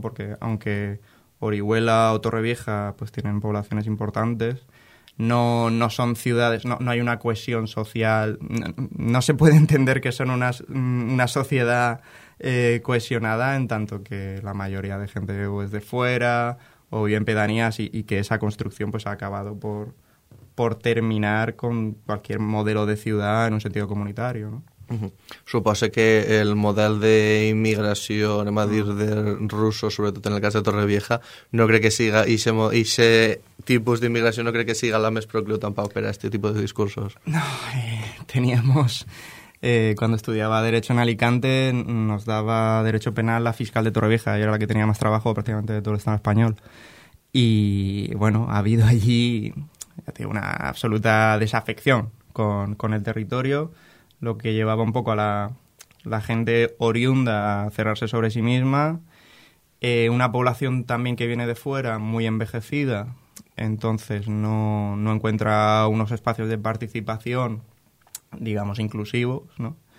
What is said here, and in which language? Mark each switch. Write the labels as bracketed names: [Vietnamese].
[Spanish] Porque aunque Orihuela o Torrevieja pues tienen poblaciones importantes, no son ciudades, no hay una cohesión social, no se puede entender que son una sociedad cohesionada, en tanto que la mayoría de gente o es de fuera o vive en pedanías y que esa construcción pues ha acabado por terminar con cualquier modelo de ciudad en un sentido comunitario, ¿no? [Catalan] Suposo que el model d'immigració, anem a dir, de russos, sobretot en el cas de Torrevieja, no crec que siga, ixe tipus d'immigració no crec que siga la més procliu tampoc per a este tipus de discursos. [Spanish] No, teníamos, cuando estudiaba Derecho en Alicante, nos daba Derecho Penal la fiscal de Torrevieja, ella era la que tenía más trabajo prácticamente de todo el Estado español. Y bueno, ha habido allí una absoluta desafección con el territorio, lo que llevaba un poco a la gente oriunda a cerrarse sobre sí misma, una población también que viene de fuera, muy envejecida, entonces no encuentra unos espacios de participación, digamos, inclusivos, ¿no?